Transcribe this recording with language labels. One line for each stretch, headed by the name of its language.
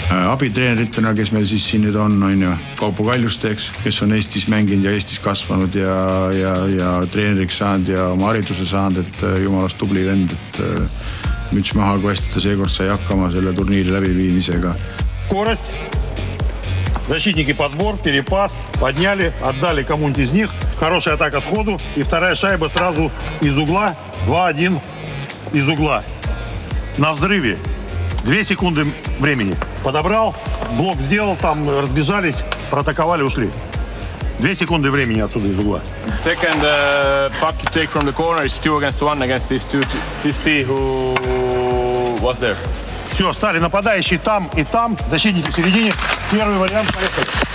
Estonian: Abitreeneritena, kes meil siis siin nüüd on, on ju Kaupo Kaljusteks, kes on Eestis mänginud ja Eestis kasvanud ja treeneriks saanud ja oma harituse saanud, et jumalast tubli vend, et müts maha, kui hästi ta seekord sai hakkama selle turniiri läbiviimisega. Korrast,
Russian: защитники подбор, перепас, подняли, отдали кому-нибудь из них, хорошая атака сходу и вторая шайба сразу из угла, 2-1 из угла, на взрыве. 2 секунды времени. Подобрал, блок сделал, там разбежались, проатаковали, ушли. 2 секунды времени отсюда из угла.
English: Second puck you take from the corner is 2-1 against these two who was there.
Russian: Все, стали нападающие там и там, защитники в середине. Первый вариант поехали.